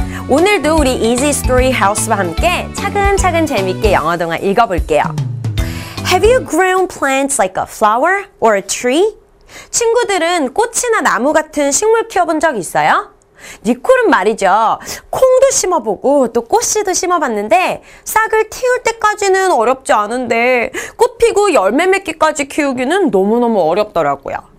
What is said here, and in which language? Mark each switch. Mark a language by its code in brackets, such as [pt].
[ko] 오늘도 우리 이지스토리하우스와 함께 차근차근 재밌게 영어 동화 읽어볼게요. [en] Have you grown plants like a flower or a tree? [ko] 친구들은 꽃이나 나무 같은 식물 키워본 적 있어요? 니콜은 말이죠. 콩도 심어보고 또 꽃씨도 심어봤는데 싹을 틔울 때까지는 어렵지 않은데 꽃 피고 열매 맺기까지 키우기는 너무너무 어렵더라고요.